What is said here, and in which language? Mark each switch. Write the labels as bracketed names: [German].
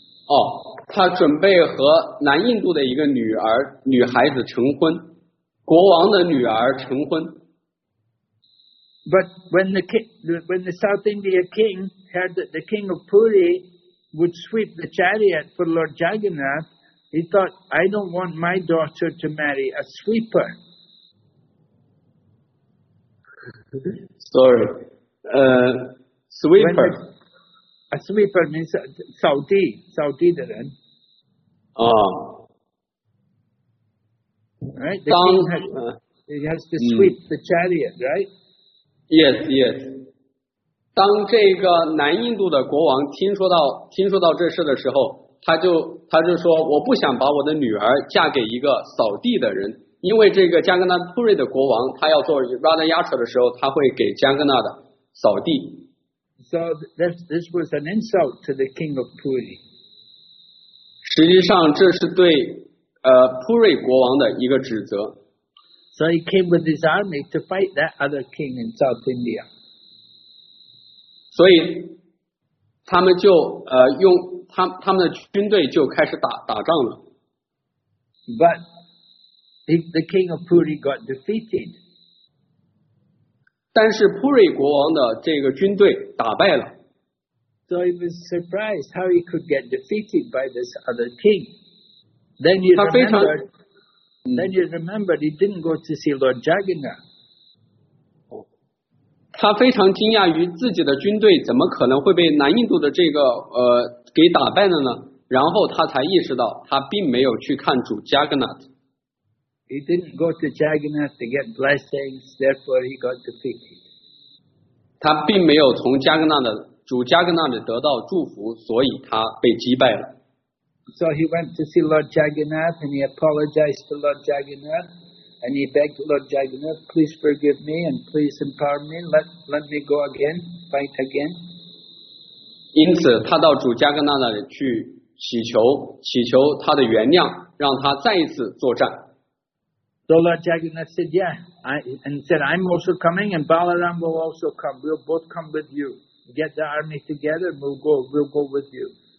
[English] Oh, [Chinese] 他准备和南印度的一个女孩子成婚，国王的女儿成婚。 [English] But when the South India king heard that the king of Puri would sweep the chariot for Lord Jagannath, he thought, I don't want my daughter to marry a sweeper. Sorry, sweeper. A sweeper means Saudi [Chinese] 的人。啊。 [English] Right. [Chinese] 当 [English] He has to sweep the chariot, right? Yes, yes. [Chinese] 当这个南印度的国王听说到这事的时候，他就说，我不想把我的女儿嫁给一个扫地的人，因为这个加格纳布瑞的国王，他要做 Radha Yatra 的时候，他会给加格纳的扫地。 [English] So this was an insult to the king of Puri. [Chinese] 实际上，这是对普瑞国王的一个指责。 [English] So he came with his army to fight that other king in South India. [Chinese] 所以他们就用他们的军队就开始打仗了。 [English] But the king of Puri got defeated. [Chinese] 但是普瑞国王的这个军队打败了。 [English] So he was surprised how he could get defeated by this other king. Then he remembered. Then you remember he didn't go to see Lord Jagannath. [Chinese] 他非常惊讶于自己的军队怎么可能会被南印度的这个给打败了呢？然后他才意识到他并没有去看主 Jagannath. [English] He didn't go to Jagannath to get blessings, therefore he got defeated. [Chinese] 他并没有从加格纳的主加格纳的得到祝福，所以他被击败了。 [English] So he went to see Lord Jagannath and he apologized to Lord Jagannath and he begged Lord Jagannath, please forgive me and please empower me, let me go again, fight again. [Chinese] 因此他到主加格纳那里去祈求他的原谅，让他再一次作战。 [English] So Lord Jagannath said, yeah, and said, I'm also coming and Balaram will also come, we'll both come with you, get the army together and we'll go with you.